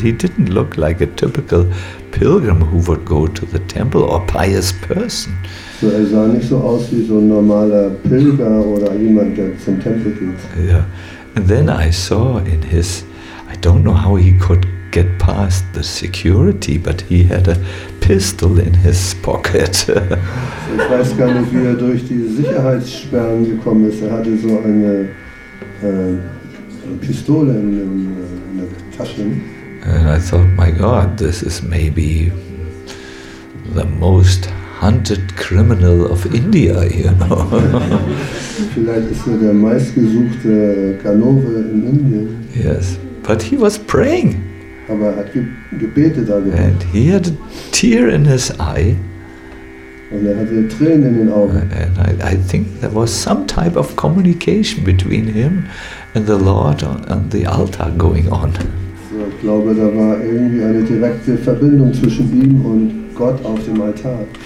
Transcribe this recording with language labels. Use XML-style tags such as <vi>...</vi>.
<en>He didn't look like a typical pilgrim who would go to the temple or pious person.</en> <de>So, er sah nicht so aus wie so ein normaler Pilger oder jemand, der zum Tempel geht.</de> <en>Yeah. And then I saw in his, I don't know how he could get past the security, but he had a pistol in his pocket.</en> <de>Ich weiß gar nicht, wie er durch die Sicherheitssperren gekommen ist. Er hatte so eine Pistole in der Tasche.</de> <en>And I thought, my God, this is maybe the most hunted criminal of India, you know.</en> <de>Vielleicht ist er der meistgesuchte Ganove in Indien.</de> <en>Yes, but he was praying.</en> <de>Aber er hat gebetet. Also.</de> <en>And he had a tear in his eye.</en> <de>Und er hatte Tränen in den Augen.</de> <en>And I think there was some type of communication between him and the Lord on the altar going on.</en> <de>So, ich glaube, da war irgendwie eine direkte Verbindung zwischen ihm und Gott auf dem Altar.</de>